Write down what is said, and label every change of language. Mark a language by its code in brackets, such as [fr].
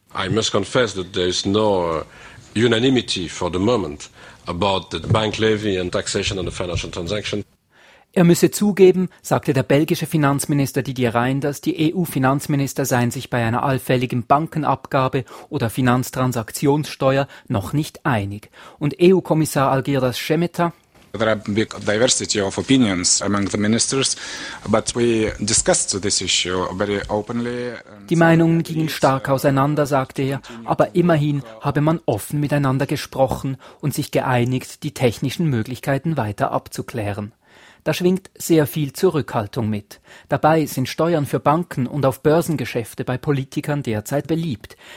[en] I must confess that there is no unanimity for the moment about the bank levy and taxation on the financial transaction. [de] Er müsse zugeben, sagte der belgische Finanzminister Didier Reynders, die EU-Finanzminister seien sich bei einer allfälligen Bankenabgabe oder Finanztransaktionssteuer noch nicht einig. Und EU-Kommissar Algirdas Schemeta? [en] There are big diversity of opinions among the ministers, but we discussed this issue very openly. [de] Die Meinungen gingen stark auseinander, sagte er, aber immerhin habe man offen miteinander gesprochen und sich geeinigt, die technischen Möglichkeiten weiter abzuklären. Da schwingt sehr viel Zurückhaltung mit. Dabei sind Steuern für Banken und auf Börsengeschäfte bei Politikern derzeit beliebt.